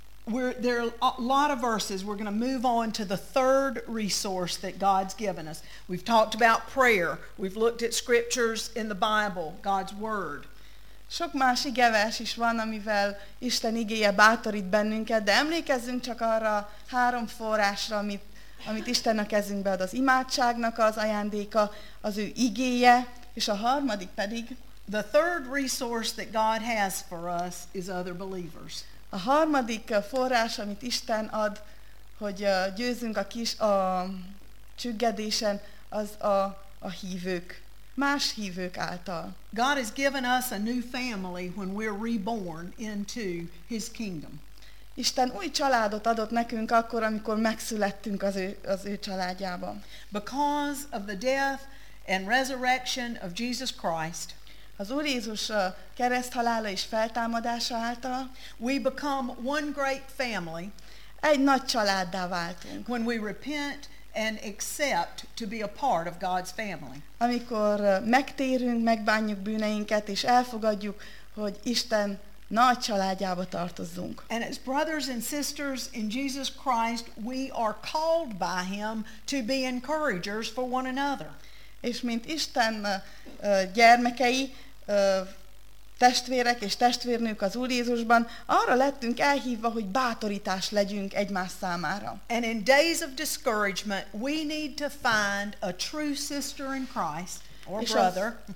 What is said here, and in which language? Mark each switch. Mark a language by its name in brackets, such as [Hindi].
[English] There are a lot of verses. We're going to move on to the third resource that God's given us. We've talked about prayer. We've looked at scriptures in the Bible, God's word. [Hungarian] Sok más igevers is van, amivel Isten igéje bátorít bennünket, de emlékezzünk csak arra három forrásra, amit Isten a kezünkbe ad, az imádságnak az ajándéka, az ő igéje, és a harmadik pedig [English] the third resource that God has for us is other believers. [Hungarian] A harmadik forrás, amit Isten ad, hogy győzünk a csüggedésen, az a hívők, más hívők által. [English] God has given us a new family when we're reborn into his kingdom. [Hungarian] Isten új családot adott nekünk akkor, amikor megszülettünk az ő családjába. [English] Because of the death and resurrection of Jesus Christ. [Hungarian] Az Úr Jézus kereszthalála és feltámadása által [English] we become one great family. [Hungarian] Egy nagy családdá váltunk. [English] When we repent and accept to be a part of God's family. [Hungarian] Amikor megtérünk, megbánjuk bűneinket és elfogadjuk, hogy Isten nagy családjába tartozzunk. [English] And as brothers and sisters in Jesus Christ, we are called by him to be encouragers for one another. [Hungarian] És mint Isten gyermekei, testvérek és testvérnők az Úr Jézusban, arra lettünk elhívva, hogy bátorítás legyünk egymás számára. [English] And in days of discouragement, we need to find a true sister in Christ, or brother.